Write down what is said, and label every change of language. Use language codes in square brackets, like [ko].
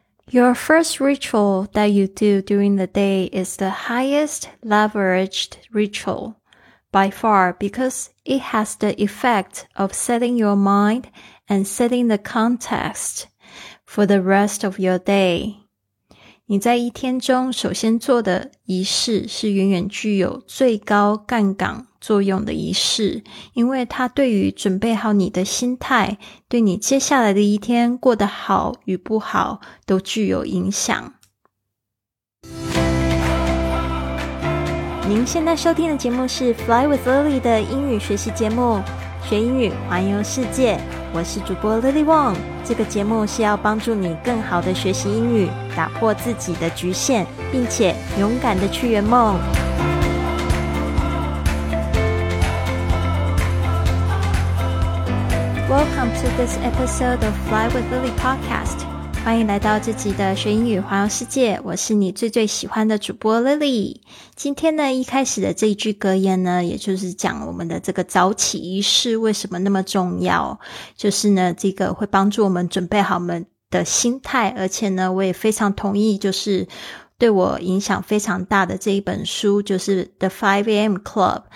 [en] Your first ritual that you do during the day is the highest leveraged ritual by far because it has the effect of setting your mind and setting the context for the rest of your day. [zh] 你在一天中首先做的仪式是远远具有最高杠杆作用的仪式，因为它对于准备好你的心态，对你接下来的一天过得好与不好都具有影响。您现在收听的节目是 Fly with Lily 的英语学习节目，学英语环游世界，我是主播 Lily Wong。这个节目是要帮助你更好的学习英语，打破自己的局限，并且勇敢的去圆梦。 [en] Welcome to this episode of Fly with Lily podcast. [zh] 欢迎来到这集的学英语环游世界，我是你最最喜欢的主播 Lily。今天呢，一开始的这一句格言呢，也就是讲我们的这个早起仪式为什么那么重要，就是呢，这个会帮助我们准备好我们的心态，而且呢，我也非常同意，就是对我影响非常大的这一本书，就是 The 5AM Club。